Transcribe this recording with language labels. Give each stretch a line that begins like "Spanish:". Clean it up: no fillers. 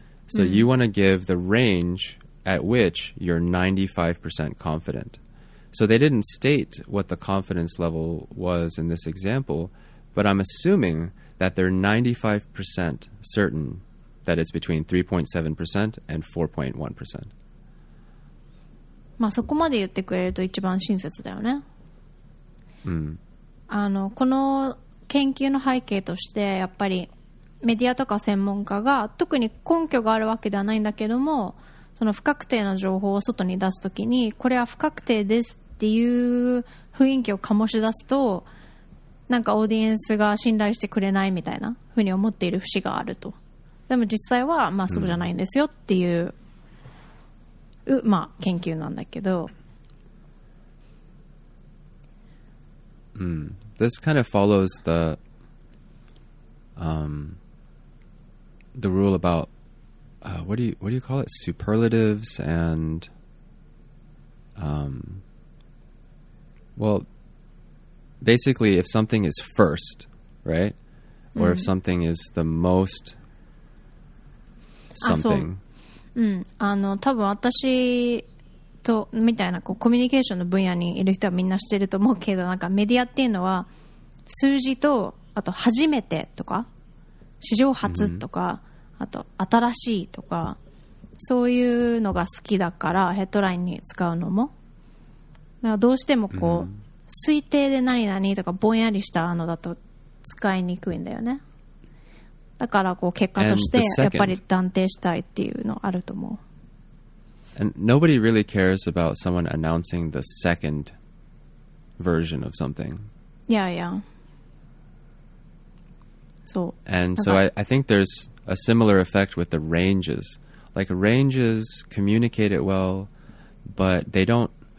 English: So you want to give the range at which you're 95% confident. So they didn't state what the confidence level was in this example, but I'm assuming that they're 95% certain that it's between 3.7% and 4.1%.
Japanese: まあそこまで言ってくれると一番親切だよね。この研究の背景としてやっぱりメディアとか専門家が特に根拠があるわけではないんだけども、その不確定の情報を外に出すときにこれは不確定ですっていう雰囲気を醸し出すと、なんかオーディエンスが信頼してくれないみたいなふうに思っている節があると。でも実際はまあそうじゃないんですよっていう、研究なんだけど。
English: This kind of follows the rule about what do you call it? Superlatives and basically if something is first, right? Mm. Or if something is the most something.
Japanese: 多分私とみたいなこうコミュニケーションの分野にいる人はみんな知ってると思うけど、なんかメディアっていうのは数字とあと初めてとか史上初とか、あと新しいとかそういうのが好きだから、ヘッドラインに使うのもだからどうしてもこう推定で何々とかぼんやりしたのだと使いにくいんだよね。だからこう結果としてやっぱり断定したいっていうのあると思う。
English: And nobody really cares about someone announcing the second version of something. Yeah, yeah. So. And so I think there's a similar effect with the ranges. Like ranges communicate it well, but they don't.